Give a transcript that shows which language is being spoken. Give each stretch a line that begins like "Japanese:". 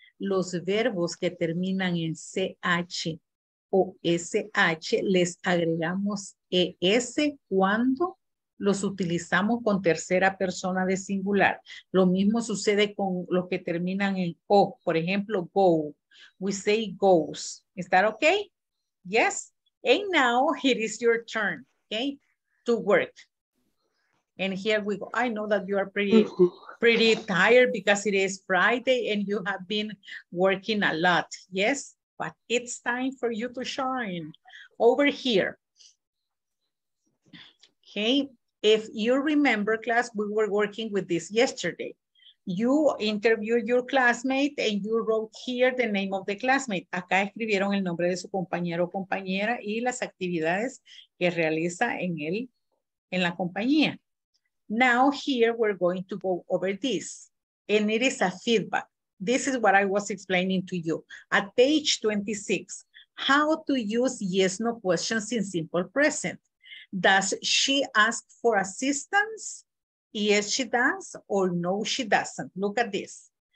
Spanish: Los verbos que terminan en CH o SH les agregamos ES cuando los utilizamos con tercera persona de singular. Lo mismo sucede con los que terminan en O. Por ejemplo,
English: go. We say goes. Is that okay? Yes. And now it is your turn, okay, to work. And here we go. I know that you are pretty tired because it is Friday and you have been working a lot. Yes, but it's time for you to shine over here. Okay, if you remember class, we were working with this yesterday. You interviewed your classmate and you wrote here the name of the classmate.
Spanish: Acá escribieron el nombre de su compañero o compañera y las actividades que realiza en la compañía.
English: Now here we're going to go over this, and it is a feedback. This is what I was explaining to you. At page 26, how to use yes, no questions in simple present. Does she ask for assistance? Yes, she does, or no, she doesn't. Look at this.